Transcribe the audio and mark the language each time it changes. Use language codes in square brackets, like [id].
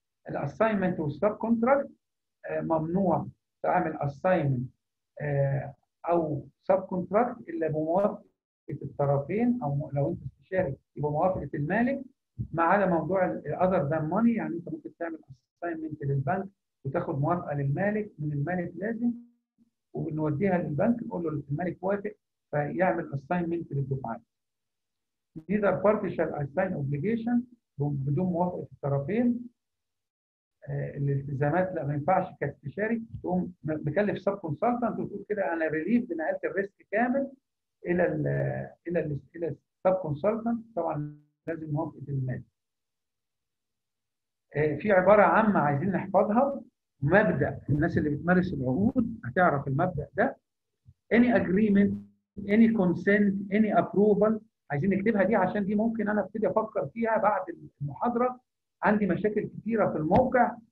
[ar] الاساينمنت والسب كونتراكت ممنوع تعمل اساينمنت او سب كونتراكت الا بموافقه الطرفين، او لو انت استشاري يبقى موافقه المالك، ما عدا موضوع الاذر ذان ماني. يعني انت ممكن تعمل اساينمنت للبنك وتاخد موافقه للمالك من المالك لازم، وبنوديها للبنك نقول له المالك وافق فيعمل اساينمنت للدفعات. [en] neither party shall assign obligation [ar] بدون موافقه الطرفين. الالتزامات لا، ما ينفعش كاستشاري تقوم بكلف سب كونسلتنت وتقول كده انا ريليف، بنقلت الريسك كامل الى السب كونسلتنت. طبعا لازم موافقه المال. في عباره عامه عايزين نحفظها، مبدا الناس اللي بتمارس العقود هتعرف المبدا ده، [en] any agreement any consent any approval، [ar] عايزين نكتبها دي عشان دي ممكن انا ابتدي افكر فيها بعد المحاضره، عندي مشاكل كتيرة في الموقع.